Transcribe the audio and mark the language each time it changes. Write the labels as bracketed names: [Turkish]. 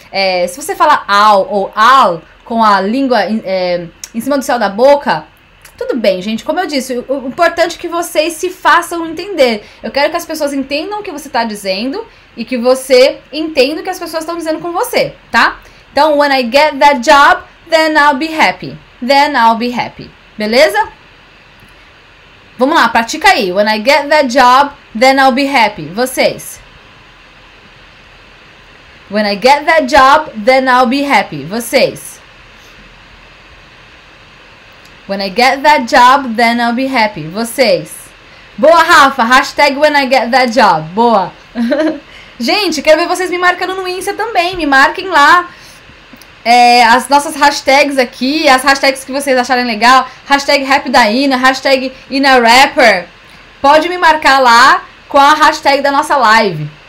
[Portuguese] É, se você fala I'll ou I'll com a língua em cima do céu da boca, tudo bem, gente. Como eu disse, o importante é que vocês se façam entender. Eu quero que as pessoas entendam o que você está dizendo e que você entenda o que as pessoas estão dizendo com você, tá? Então, [English] when I get that job, then I'll be happy. Then I'll be happy. [Portuguese] Beleza? Vamos lá, pratica aí. [English] When I get that job, then I'll be happy. [Portuguese] Vocês. [English] When I get that job, then I'll be happy. [Portuguese] Vocês. [English] When I get that job, then I'll be happy. [Portuguese] Vocês. Boa, Rafa. [English] Hashtag when I get that job. [Portuguese] Boa. Gente, quero ver vocês me marcando no Insta também. Me marquem lá. As nossas hashtags aqui, as hashtags que vocês acharem legal, hashtag happy da Ina, hashtag Ina Rapper, pode me marcar lá com a hashtag da nossa live.